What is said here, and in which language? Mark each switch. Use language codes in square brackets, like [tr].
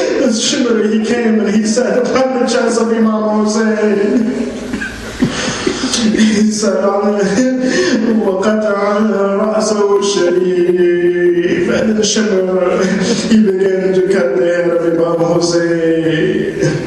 [en] Shimr, he came and he sat upon the chest of Imam Hussein. [ar] He said, وَقَدَعَ رَأْسَهُ الشَّرِيفِ. [en] And then Shimr, he began to cut the head of Imam Hussein.